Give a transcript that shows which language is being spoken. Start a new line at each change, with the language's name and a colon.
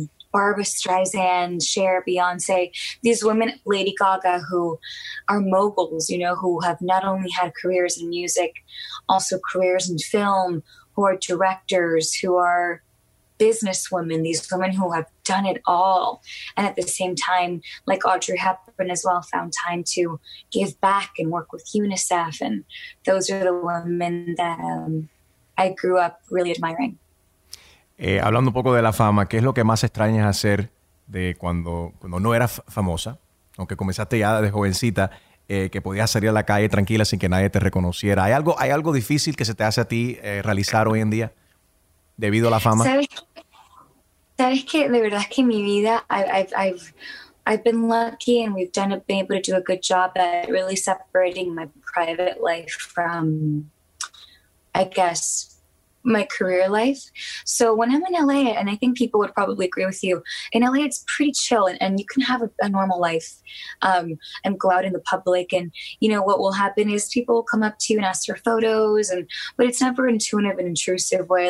English: Barbra Streisand, Cher, Beyonce, these women, Lady Gaga, who are moguls, you know, who have not only had careers in music, also careers in film, who are directors, who are businesswomen, these women who have done it all. And at the same time, like Audrey Hepburn as well, found time to give back and work with UNICEF. And those are the women that I grew up really admiring.
Spanish: Hablando un poco de la fama, ¿qué es lo que más extrañas hacer de cuando no eras famosa, aunque comenzaste ya de jovencita, que podías salir a la calle tranquila sin que nadie te reconociera? ¿Hay algo difícil que se te hace a ti realizar hoy en día debido a la fama? ¿Sabes que de verdad es que mi vida,
English: I've been lucky and been able to do a good job at really separating my private life from, I guess, my career life. So when I'm in LA, and I think people would probably agree with you, in LA it's pretty chill and you can have a normal life and go out in the public, and you know what will happen is people will come up to you and ask for photos, and but it's never intuitive and intrusive way.